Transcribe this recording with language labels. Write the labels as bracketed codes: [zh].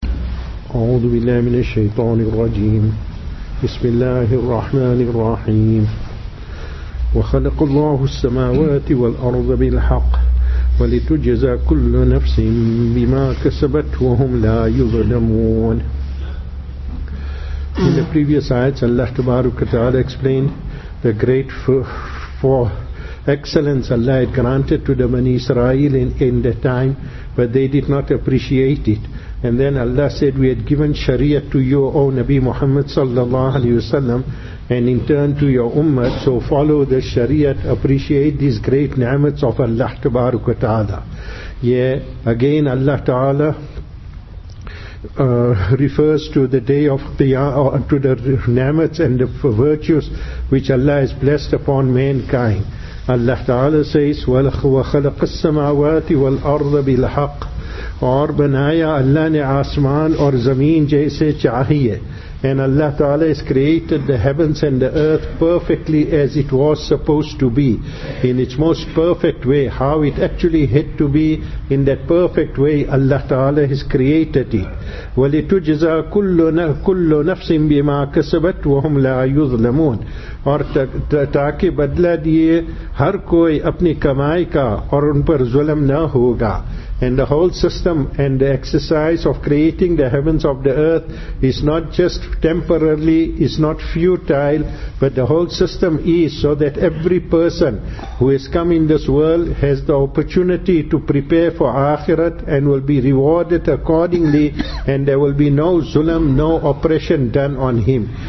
[ar] أعوذ بالله من الشيطان الرجيم. بسم الله الرحمن الرحيم. وخلق الله السماوات والأرض بالحق ولتجزى كل نفس بما كسبت وهم لا يظلمون. [en] In the previous ayats, Allah tabaraka ta'ala explained the great for excellence Allah had granted to the Bani Israel in the time, but they did not appreciate it. And then Allah said, we had given Sharia to you, O Nabi Muhammad sallallahu alayhi wasallam, and in turn to your ummah, so follow the Sharia, appreciate these great ni'mats of Allah tabaraka ta'ala. Yeah, again Allah ta'ala refers to the day of to the ni'mats and the virtues which Allah has blessed upon mankind. Allah ta'ala says, [ar] وَخَلَقَ السَّمَاوَاتِ وَالْأَرْضَ بِالْحَقِّ [ur] اور بنایا اللہ نے آسمان اور زمین جیسے چاہیے. [en] And Allah ta'ala has created the heavens and the earth perfectly as it was supposed to be, in its most perfect way. How it actually had to be in that perfect way, Allah ta'ala has created it. [ar] وَلِتُجْزَى كُلُّ نَفْسٍ بِمَا كَسَبَتْ وَهُمْ لَا يُظْلَمُونَ. [ur] اور تاکہ بدلہ دیئے ہر کوئی اپنی کمائی کا اور ان پر ظلم نہ ہوگا. [en] And the whole system and the exercise of creating the heavens of the earth is not just temporarily, is not futile, but the whole system is so that every person who has come in this world has the opportunity to prepare for akhirat and will be rewarded accordingly, and there will be no zulm, no oppression done on him.